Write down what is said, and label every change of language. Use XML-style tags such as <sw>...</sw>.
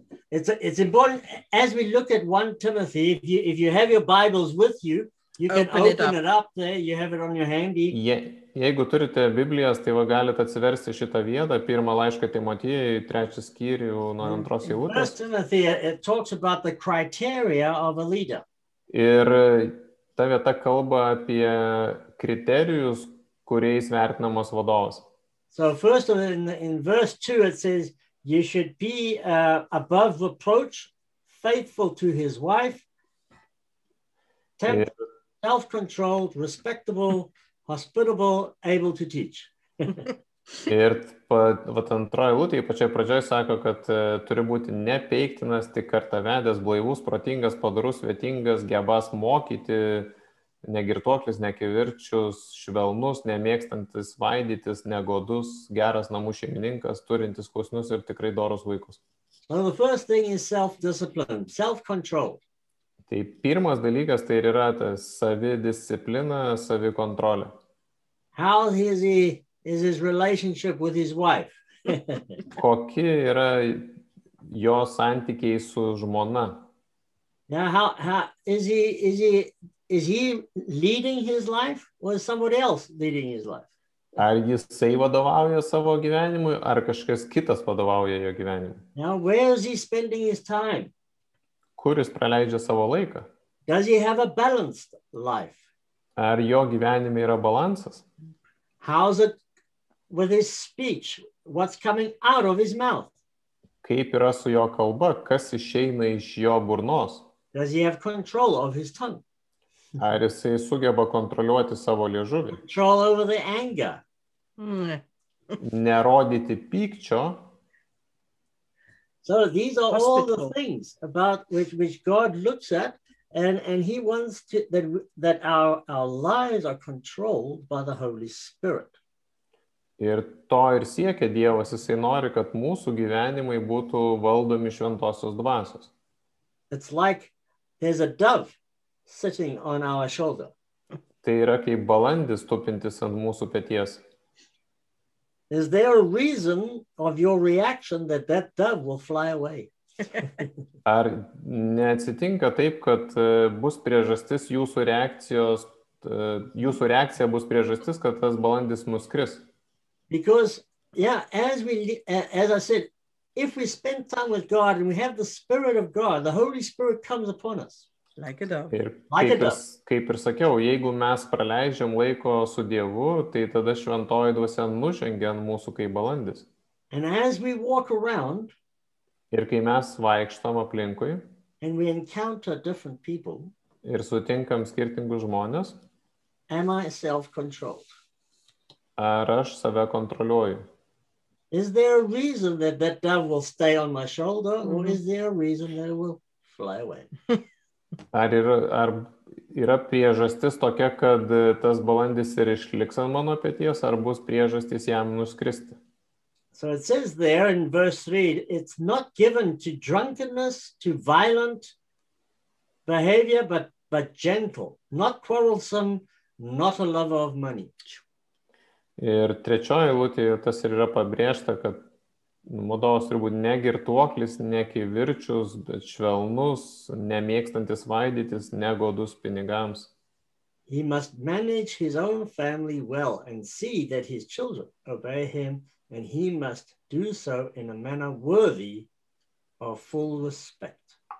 <en>It's important as we look at 1 Timothy, if you have your Bibles with you, you can open it up there, you have it on your handy.</en> <lt>Jeigu turite Biblijas, tai va galite atsiversti šitą vietą, pirmą laišką Timotijai, trečią skyrių nuo antros eilutės.</lt> <en>1 Timothy, it talks about the criteria of a leader.</en> <lt>Ir ta vieta kalba apie kriterijus, kuriais vertinamos vadovas.</lt> <en>So first of all, in verse 2, it says, you should be above reproach, faithful to his wife, temperate, self-controlled, respectable, hospitable, able to teach.</en> <lt>Ir pat, vat antroji lūtė, pačiai pradžioj sako, kad turi būti nepeiktinas, tik kartą vedęs, blaivus, protingas, padarus, vietingas, gebas mokyti, negirtuoklis, nekivirčius, švelnus, nemėgstantis, vaidytis, negodus, geras namų šeimininkas, turintis klausnius ir tikrai doros vaikus.</lt> <en>Well, the first thing is self-discipline, self-control.</en> <lt>Tai pirmas dalykas, tai ir yra tas savi disciplina, savi kontrolė.</lt> <en>How is his relationship with his wife?</en> <lt>Kokie yra jo santykiai su žmona?</lt> <en>Now, is he leading his life or is somebody else leading his life?</en> <lt>Ar jisai vadovauja savo gyvenimui, ar kažkas kitas vadovauja jo gyvenimui?</lt> <en>Now, where is he spending his time?</en> <lt>Kuris praleidžia savo laiką?</lt> <en>Does he have a balanced life?</en> <lt>Ar jo gyvenime yra balansas?</lt> <en>How's it with his speech? What's coming out of his mouth?</en> <lt>Kaip yra su jo kalba? Kas išeina iš jo burnos?</lt> <en>Does he have control of his tongue?</en> <lt>Ar jisai sugeba kontroliuoti savo liežuvį?</lt> <en>Control over the anger.</en> <lt>Nerodyti pykčio.</lt> <en>So these are all the things about which God looks at and he wants to that our lives are controlled by the Holy Spirit.</en> <lt>Ir to ir siekia Dievas, jisai nori, kad mūsų gyvenimai būtų valdomi Šventosios Dvasios.</lt> <en>It's like there's a dove sitting on our shoulder.</en> <lt>Tai yra kaip balandis tupintis ant mūsų peties.</lt> <en>Is there a reason of your reaction that dove will fly away?</en> <lt>Ar neatsitinka taip, kad bus priežastis jūsų reakcijos, jūsų reakcija bus priežastis, kad tas balandis nuskris?</lt> <en>Because, yeah, as I said, if we spend time with God and we have the Spirit of God, the Holy Spirit comes upon us. Like a dove.</en> <lt>Ir kaip ir sakiau, jeigu mes praleidžiam laiko su Dievu, tai tada šventoji dvasia nužengia ant mūsų kaip balandis.</lt> <en>And as we walk around,</en> <lt>ir kai mes vaikštom aplinkui,</lt> <en>and we encounter different people,</en> <lt>ir sutinkam skirtingus žmonės,</lt> <en>am I self-controlled?</en> <lt>Ar aš save kontroliuoju?</lt> <en>Is there a reason that dove will stay on my shoulder, or is there a reason that it will fly away?</en> <lt>Ar yra priežastis tokia, kad tas balandis ir išliks ant mano peties, ar bus priežastis jam nuskristi?</lt> <en>So it says there in verse 3, it's not given to drunkenness, to violent behavior, but gentle, not quarrelsome, not a lover of money.</en> <lt>Ir trečioji lūtė, tas ir yra pabrėžta, kad Modovas turbūt ne girtuoklis, ne kivirčius, bet švelnus, nemėgstantis vaidytis, negodus pinigams.</lt> <en>He must manage his own family well and see that his children obey him, and he must do so in a manner worthy of full respect.</en>